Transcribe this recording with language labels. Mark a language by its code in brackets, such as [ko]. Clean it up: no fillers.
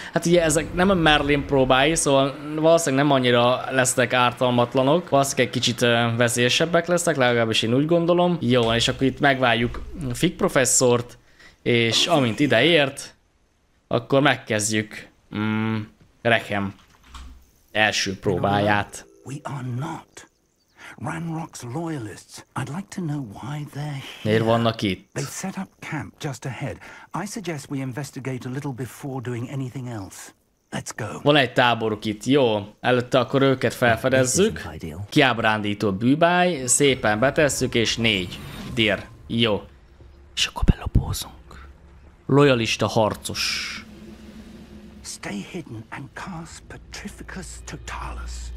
[hu] Hát ugye ezek nem a Merlin próbái, szóval valószínűleg nem annyira lesznek ártalmatlanok. Valószínűleg egy kicsit veszélyesebbek lesznek, legalábbis én úgy gondolom. Jó, és akkor itt megvárjuk Fig professzort, és amint ideért, akkor megkezdjük. Rackham első próbáját. [en] We are not Ranrock's loyalists. I'd like to know why they're here. [hu] Miért vannak itt? [en] They set up camp just ahead. I suggest we investigate a little before doing anything else. Let's go. [hu] Van egy táboruk itt, jó. Előtte akkor őket felfedezzük. Kiábrándító bűbáj, szépen betesszük, és négy. Dear, jó. És akkor belopózunk. Loyalista harcos. [en] Stay hidden and cast Petrificus Totalus.